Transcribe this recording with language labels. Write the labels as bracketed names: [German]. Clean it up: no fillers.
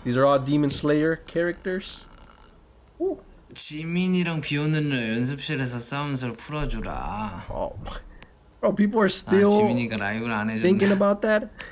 [English] These are all Demon Slayer characters. Ooh. [Korean] 지민이랑 비 오는 날 연습실에서 싸움을 풀어주라. Oh. [English] Bro, people are still thinking about that.